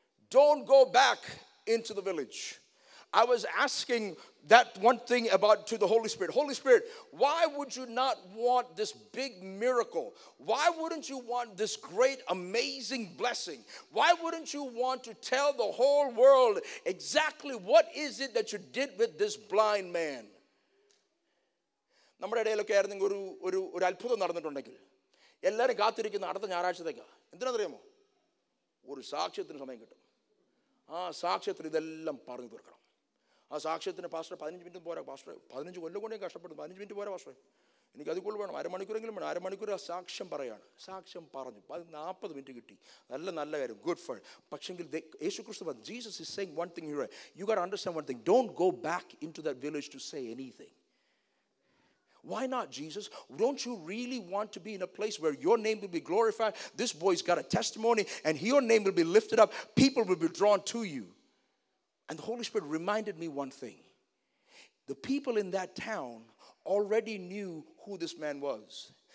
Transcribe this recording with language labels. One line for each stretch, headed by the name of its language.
English: Don't go back into the village. I was asking that one thing about to the Holy Spirit. Holy Spirit, why would you not want this big miracle? Why wouldn't you want this great, amazing blessing? Why wouldn't you want to tell the whole world exactly what is it that you did with this blind man?
Malayalam: നമ്മുടെ ഇടയിലൊക്കെ ആയിരുന്നെങ്കിൽ ഒരു ഒരു ഒരു അത്ഭുതം നടന്നിട്ടുണ്ടെങ്കിൽ എല്ലാവരും കാത്തിരിക്കുന്ന അടുത്ത ഞായറാഴ്ചത്തേക്ക് എന്തിനാണെന്നറിയാമോ? ഒരു സാക്ഷ്യത്തിന് സമയം കിട്ടും. ആ സാക്ഷ്യത്തിന് ഇതെല്ലാം പറഞ്ഞു തീർക്കണം. ആ സാക്ഷ്യത്തിന് പാസ്റ്റർ 15 മിനിറ്റ് പോരാ പാസ്റ്ററെ, 15 കൊല്ലം കൊണ്ടേ കഷ്ടപ്പെടുന്നു, 15 മിനിറ്റ് പോരാ പാസ്റ്ററെ, എനിക്ക് അത് കൂടുതൽ വേണം, അരമണിക്കൂറെങ്കിലും വേണം. അരമണിക്കൂർ ആ സാക്ഷ്യം പറയാണ്, സാക്ഷ്യം പറഞ്ഞു, 40 മിനിറ്റ് കിട്ടി, നല്ല നല്ല കാര്യം,
English: Good for.
Malayalam: പക്ഷേങ്കിൽ യേശു ക്രിസ്തു പറഞ്ഞു,
English: Jesus is saying one thing here, you got understand one thing, don't go back into that village to say anything. Why not, Jesus? Don't you really want to be in a place where your name will be glorified? This boy's got a testimony and your name will be lifted up, people will be drawn to you. And the Holy Spirit reminded me one thing. The people in that town already knew who this man was.